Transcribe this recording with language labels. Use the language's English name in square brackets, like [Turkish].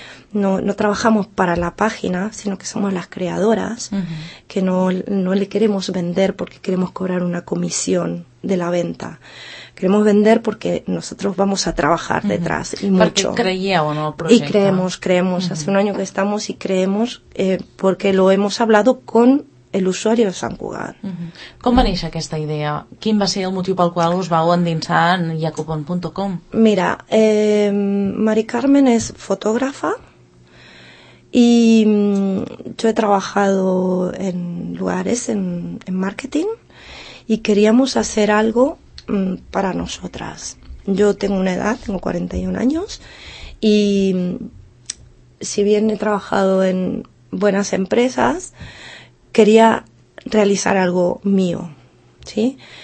[Spanish] No trabajamos para la página, sino que somos las creadoras, uh-huh, que no le queremos vender porque queremos cobrar una comisión de la venta. Queremos vender porque nosotros vamos a trabajar detrás, uh-huh, y mucho. Porque creía o no el proyecto. Y creemos, uh-huh, hace un año que estamos y creemos porque lo hemos hablado con el usuario de Sant Cugat. [Catalan] Uh-huh. Com va néixer aquesta idea? Quin va ser el motiu pel qual us vau endinsar en Yacupón.com? Mira, Mari Carmen és fotògrafa [Spanish] Y yo he trabajado en lugares en marketing y queríamos hacer algo para nosotras. Yo tengo una edad, tengo 41 años, y si bien he trabajado en buenas empresas, quería realizar algo mío, ¿sí?